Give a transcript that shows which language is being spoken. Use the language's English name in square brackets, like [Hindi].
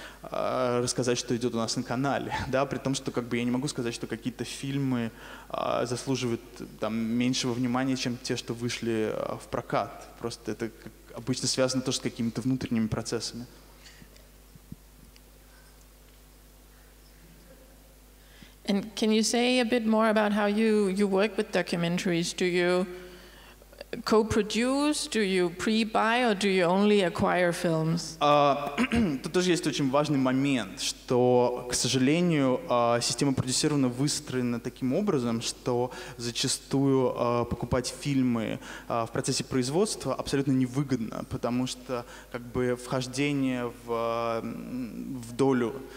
[Russian] рассказать, что идет у нас на канале, да, при том, что как бы я не могу сказать, что какие-то фильмы заслуживают там меньшего внимания, чем те, что вышли в прокат, просто это обычно связано тоже с какими-то внутренними процессами. [English] And can you say a bit more about how you work with documentaries? Do you co-produce? Do you pre-buy or do you only acquire films? [Russian] Тут тоже есть очень важный момент, что, к сожалению, система продюсирования выстроена таким образом, что зачастую покупать фильмы в процессе производства абсолютно невыгодно, потому что как бы вхождение в долю